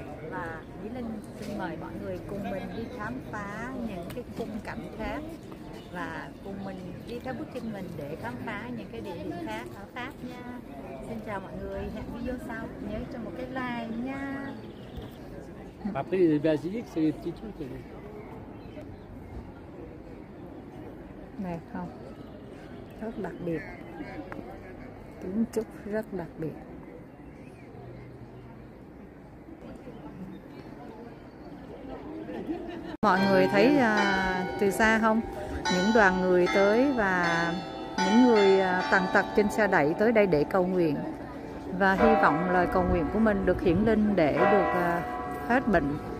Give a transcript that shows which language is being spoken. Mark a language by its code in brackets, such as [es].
[vi] Và Lý Linh xin mời mọi người cùng mình đi khám phá những cái khung cảnh khác và cùng mình đi theo bước chân mình để khám phá những cái địa điểm khác ở Pháp nha. Xin chào mọi người. Hẹn video sau. Nhớ cho một cái like nha. [fr] Après les basiliques, c'est les petites choses. [vi] Này không, rất đặc biệt, kiến trúc rất đặc biệt. Mọi người thấy từ xa không, những đoàn người tới và những người tàn tật trên xe đẩy tới đây để cầu nguyện và hy vọng lời cầu nguyện của mình được hiển linh để được hết bệnh.